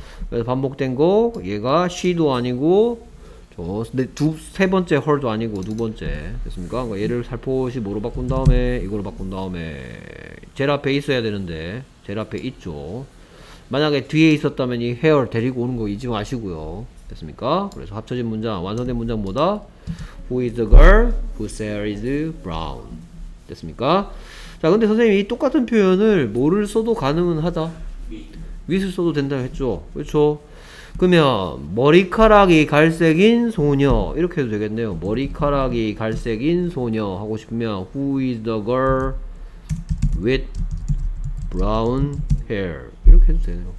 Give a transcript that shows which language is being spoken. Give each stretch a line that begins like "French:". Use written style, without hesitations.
Korean: 그래서 반복된 거 얘가 she도 아니고 저 세 번째 her도 아니고 두 번째. 됐습니까? 그러니까 얘를 살포시 뭐로 바꾼 다음에 이걸로 바꾼 다음에 제일 앞에 있어야 되는데 제일 앞에 있죠. 만약에 뒤에 있었다면 이 hair 데리고 오는 거 잊지 마시고요. 됐습니까? 그래서 합쳐진 문장, 완성된 문장 뭐다?
English: Who is the girl whose hair is brown?
Korean: 됐습니까? 자, 근데 선생님이 똑같은 표현을 뭐를 써도 가능은 하다? with 써도 된다고 했죠? 그렇죠? 그러면 머리카락이 갈색인 소녀 이렇게 해도 되겠네요. 머리카락이 갈색인 소녀 하고 싶으면
English: Who is the girl with brown hair?
Korean: 이렇게 해도 되네요.